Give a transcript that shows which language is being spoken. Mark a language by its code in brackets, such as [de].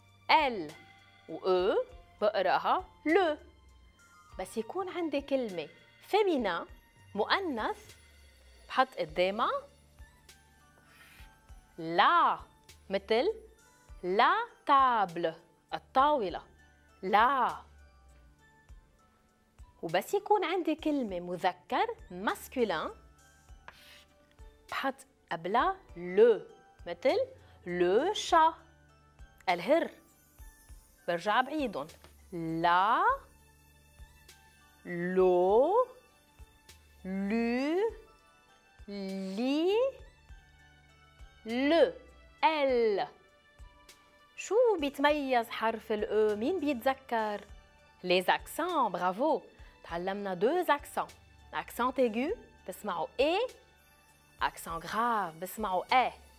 [fr] L ou E, [ar] بقرأها, [fr] le. [ar] بس يكون عندي كلمة féminin, مؤنث, بحط قدامة. [fr] La, مثل la table, [ar] الطاولة. [fr] La. [ar] وبس يكون عندي كلمة مذكر masculin بحط قبلها le مثل [fr] le chat [ar] الهر برجع بعيدهم la [fr] l'o l'u li le l [ar] شو بيتميز حرف ال [fr] e [ar] مين بيتذكر [fr] les accents bravo [ar] تعلمنا [fr] deux accents. Accent aigu, [ar] بسمعو [fr] E. Accent grave, بسمعو E.